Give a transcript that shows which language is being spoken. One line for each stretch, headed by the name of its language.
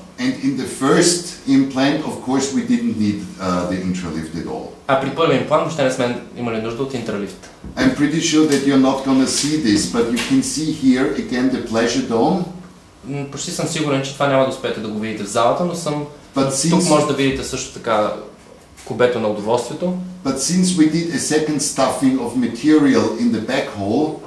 English: And in the first implant, of course, we didn't need the intralift at all.
Bulgarian: А при първия имплант въобще не сме имали нужда от интралифт.
English: I'm pretty sure that you're not gonna see this, but you can see here again the pleasure dome.
Bulgarian: Почти съм сигурен, че това няма да успеете да го видите в залата, но съм тук може да видите също така кубето на удоволствието.
English: But since we did a second stuffing of material in the back hole,